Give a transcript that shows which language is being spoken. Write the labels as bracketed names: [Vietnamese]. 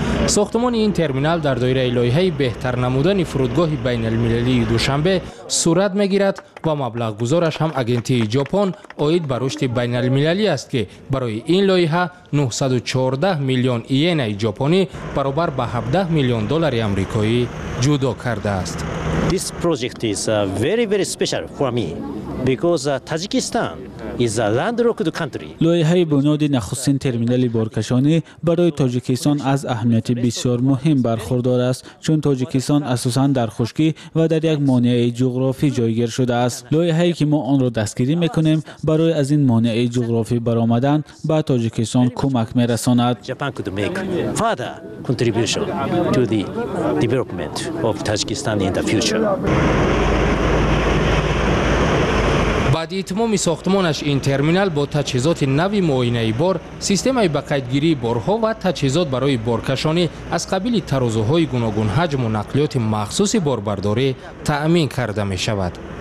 [Persian] ساختمان این ترمینال در دایره لایحه بهتر نمودن فرودگاه بین المللی دوشنبه صورت میگیرد و مبلغ گذارش هم اگنتی ژاپن آید بر رشد بین المللی است که برای این لایحه 914 میلیون ین ژاپنی برابر به 17 میلیون دلار آمریکایی جدا کرده است. [English] This project is very special for me because Tajikistan is a landlocked country. [Persian] لایحه بنیاد نخستین ترمینال بورکشانی برای تاجیکستان از اهمیت بسیار مهم برخوردار است، چون تاجیکستان اساساً در خشکی و در یک مانع جغرافی جایگیر شده است. لایحه‌ای که ما آن را دستگیری میکنیم برای از این مانع جغرافی برآمدن به تاجیکستان کمک میرساند. [English] Japan could make further contribution to the development of Tajikistan in the future. [Persian] بعد اتمام ساختمانش این ترمینال با تجهیزات نوی معاینه بار، سیستم بقیدگیری بارها و تجهیزات برای بارکشانی از قبیل ترازوهای گوناگون حجم و نقلیات مخصوص باربرداری تأمین کرده می شود.